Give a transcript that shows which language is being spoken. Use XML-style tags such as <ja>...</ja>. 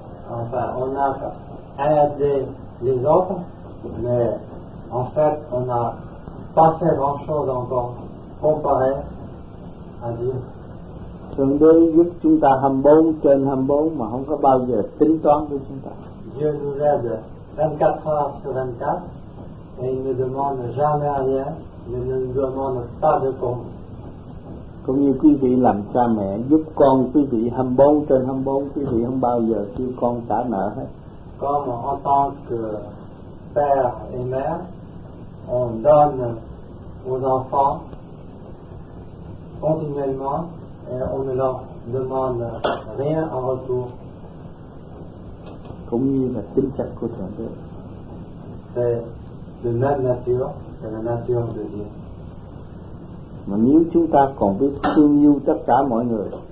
<fr>On a aidé les autres, mais en fait on n'a pas fait grand chose encore comparé à Dieu.</fr> <vi>Thượng Đế giúp chúng ta 24/24 mà không có bao giờ tính toán với chúng ta.</vi> <fr>Dieu nous aide 24 heures sur 24, et il ne demande jamais rien, il ne nous demande pas de compte.</fr> <vi>Cũng như quý vị làm cha mẹ giúp con quý vị 24 trên 24, quý vị không bao giờ kêu con trả nợ hết.</vi> <fr>Comme en tant que père et mère, on donne aux enfants continuellement et on ne leur demande rien en retour.</fr> <vi>Cũng như là tính chất của Thượng Đế.</vi> <fr>C'est de même nature, c'est la nature de Dieu.</fr> <vi>Mà nếu chúng ta còn biết thương yêu tất cả mọi người,</vi>